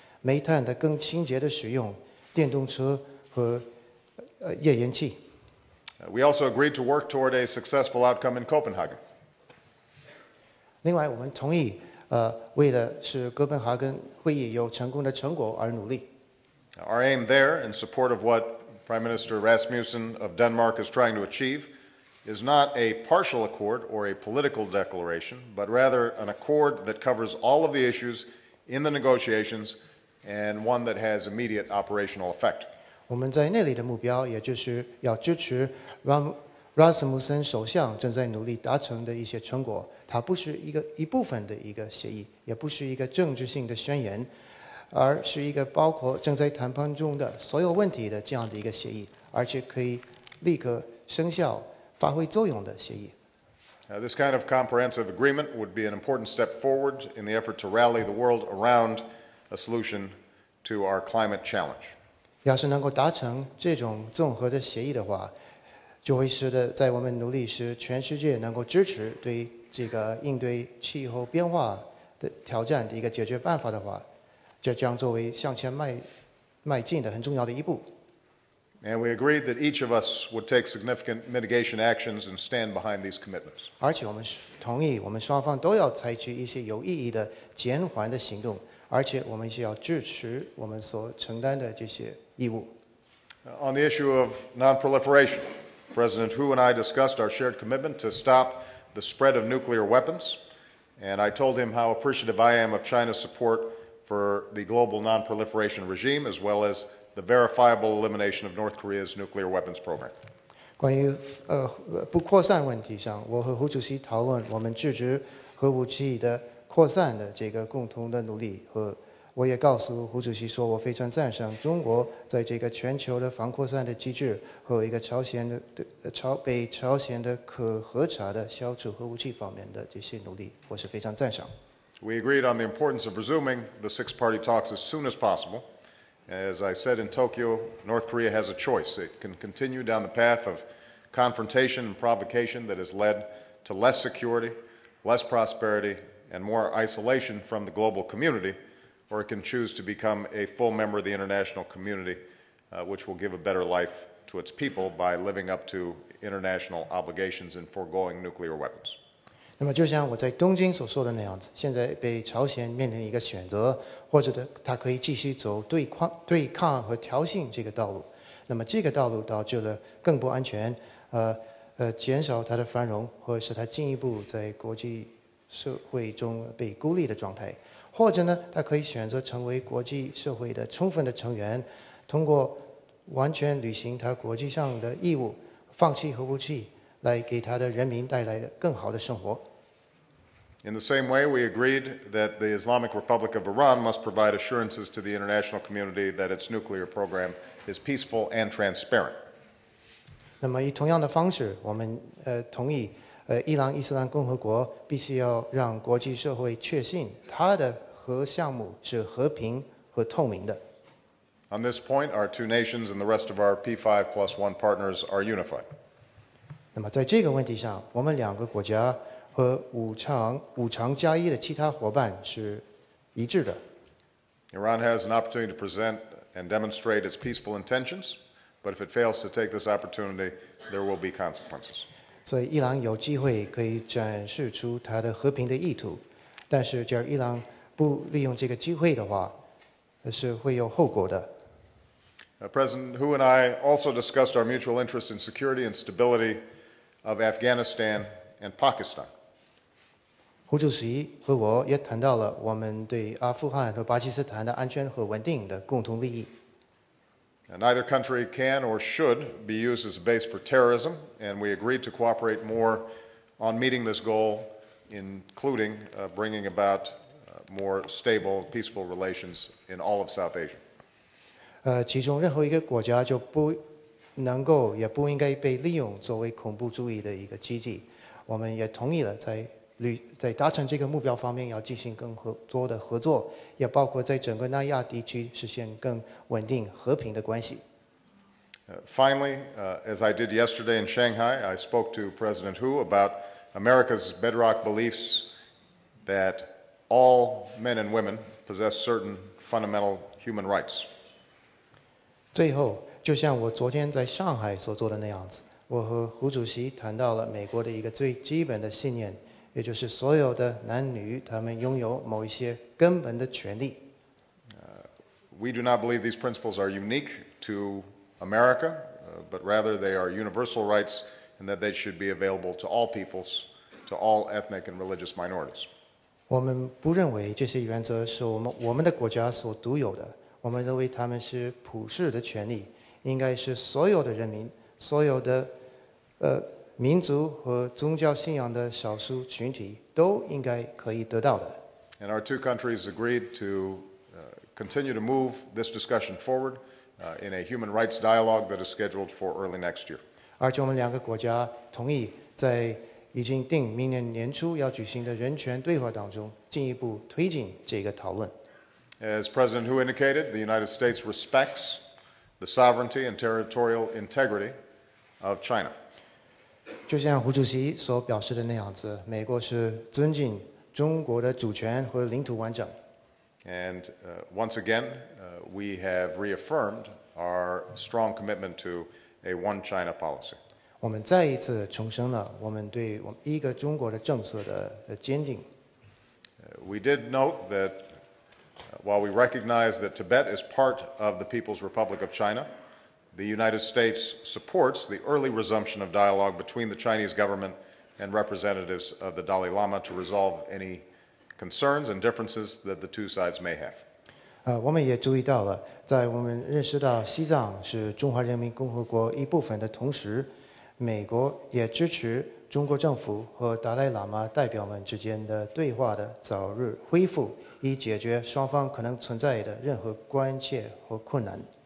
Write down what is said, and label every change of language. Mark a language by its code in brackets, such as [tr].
[zh] 煤炭的更清洁的使用，电动车和页岩气。 [en] We also agreed to work toward a successful outcome in Copenhagen. [zh] 另外，我们同意，为了使哥本哈根会议有成功的成果而努力。 [en] Our aim there, in support of what Prime Minister Rasmussen of Denmark is trying to achieve, is not a partial accord or a political declaration, but rather an accord that covers all of the issues in the negotiations and one that has immediate operational effect. [zh] 我们在那里的目标，也就是要支持 Rasmussen 首相正在努力达成的一些成果。它不是一部分的一个协议，也不是一个政治性的宣言，而是一个包括正在谈判中的所有问题的这样的一个协议，而且可以立刻生效、发挥作用的协议。 [en] This kind of comprehensive agreement would be an important step forward in the effort to rally the world around a solution to our climate challenge. [zh] 要是能够达成这种综合的协议的话，就会使得在我们努力时，全世界能够支持对这个应对气候变化的挑战的一个解决办法的话，这将作为向前迈进的很重要的一步。 [en] And we agreed that each of us would take significant mitigation actions and stand behind these commitments. [zh] 而且我们同意，我们双方都要采取一些有意义的减缓的行动，而且我们需要支持我们所承担的这些义务。 [en] On the issue of non-proliferation, President Hu and I discussed our shared commitment to stop the spread of nuclear weapons, and I told him how appreciative I am of China's support for the global non-proliferation regime as well as. The verifiable elimination of North Korea's nuclear weapons program. [zh] 关于不扩散问题上，我和胡主席讨论我们制止核武器的扩散的这个共同的努力，和我也告诉胡主席说，我非常赞赏中国在这个全球的防扩散的机制和一个朝鲜的可核查的消除核武器方面的这些努力，我是非常赞赏。 [en] We agreed on the importance of resuming the six-party talks as soon as possible. As I said in Tokyo, North Korea has a choice. It can continue down the path of confrontation and provocation that has led to less security, less prosperity, and more isolation from the global community, or it can choose to become a full member of the international community, which will give a better life to its people by living up to international obligations and foregoing nuclear weapons. [zh] 那么就像我在东京所说的那样子，现在被朝鲜面临一个选择，或者他可以继续走对抗和挑衅这个道路，那么这个道路导致了更不安全，减少他的繁荣，或者是他进一步在国际社会中被孤立的状态，或者呢，他可以选择成为国际社会的充分的成员，通过完全履行他国际上的义务，放弃核武器，来给他的人民带来更好的生活。 [en] In the same way, we agreed that the Islamic Republic of Iran must provide assurances to the international community that its nuclear program is peaceful and transparent. [zh] 那么以同样的方式，我们同意伊朗伊斯兰共和国必须要让国际社会确信它的核项目是和平和透明的。 [en] On this point, our two nations and the rest of our P5 plus one partners are unified. [zh] 那么在这个问题上，我们两个国家和五常加一的其他伙伴是一致的。 [en] Iran has an opportunity to present and demonstrate its peaceful intentions, but if it fails to take this opportunity, there will be consequences. [zh] 所以伊朗有机会可以展示出它的和平的意图，但是假如伊朗不利用这个机会的话，是会有后果的。 [en] President Hu and I also discussed our mutual interest in security and stability. Of Afghanistan and Pakistan. [zh] 胡主席和我也谈到了我们对阿富汗和巴基斯坦的安全和稳定的共同利益。 [en] Neither country can or should be used as a base for terrorism, and we agreed to cooperate more on meeting this goal, including bringing about more stable, peaceful relations in all of South Asia. [zh] 其中任何一个国家就不能够也不应该被利用作为恐怖主义的一个基地，我们也同意了在达成这个目标方面要进行更多的合作，也包括在整个南亚地区实现更稳定和平的关系。 [en] Finally, as I did yesterday in Shanghai, I spoke to President Hu about America's bedrock beliefs that all men and women possess certain fundamental human rights. [zh] 最后，就像我昨天在上海所做的那样子，我和胡主席谈到了美国的一个最基本的信念，也就是所有的男女他们拥有某一些根本的权利。 [en] We do not believe these principles are unique to America, but rather they are universal rights and that they should be available to all peoples, to all ethnic and religious minorities. [zh] 我们不认为这些原则是我们的国家所独有的，我们认为他们是普世的权利，应该是所有的人民，所有的民族和宗教信仰的少数群体都应该可以得到的。 [en] And our two countries agreed to continue to move this discussion forward in a human rights dialogue that is scheduled for early next year. [zh] 而且我们两个国家同意在已经定明年年初要举行的人权对话当中进一步推进这个讨论。 [en] As President Hu indicated, the United States respects the sovereignty and territorial integrity of China. [zh] 就像胡主席所表示的那样子，美国是尊敬中国的主权和领土完整。 [en] And once again, we have reaffirmed our strong commitment to a one-China policy. [zh] 我们再一次重申了我们对我们一个中国的政策的坚定。 [en] We did note that while we recognize that Tibet is part of the People's Republic of China, the United States supports the early resumption of dialogue between the Chinese government and representatives of the Dalai Lama to resolve any concerns and differences that the two sides may have. [zh] 我们也注意到了，在我们认识到西藏是中华人民共和国一部分的同时，美国也支持中国政府和达赖喇嘛代表们之间的对话的早日恢复，以解决双方可能存在的任何关切和困难。